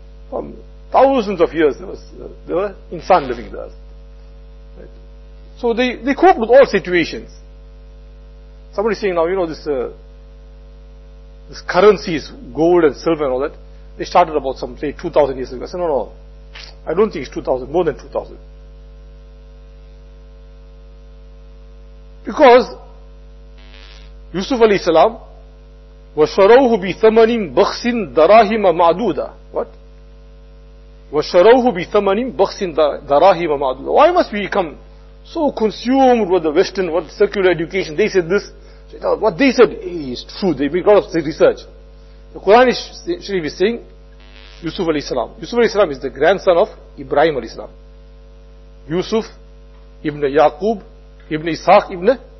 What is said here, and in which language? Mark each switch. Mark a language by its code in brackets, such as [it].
[en] From thousands of years, there were insan living on the earth. Right. So they cope with all situations. Somebody saying now, you know, this currencies, gold and silver and all that, they started about some, say, 2000 years ago. I said, no, I don't think it's 2000, more than 2000. Because [ar] Yusuf alayhi salam, وَشَرَوْهُ بِثَمَنٍ بَخْسٍ دَرَاهِمَ مَعْدُودَ. [en] What? [ar] وَشَرَوْهُ بِثَمَنٍ بَخْسٍ دَرَاهِمَ مَعْدُودَ. [en] Why must we become so consumed with the Western, with secular education? They said this. What they said is true. They make a lot of research. The Quran is saying, Yusuf alayhi salam. Yusuf alayhi salam is the grandson of Ibrahim alayhi salam. Yusuf ibn Yaqub ibn Ishaq ibn.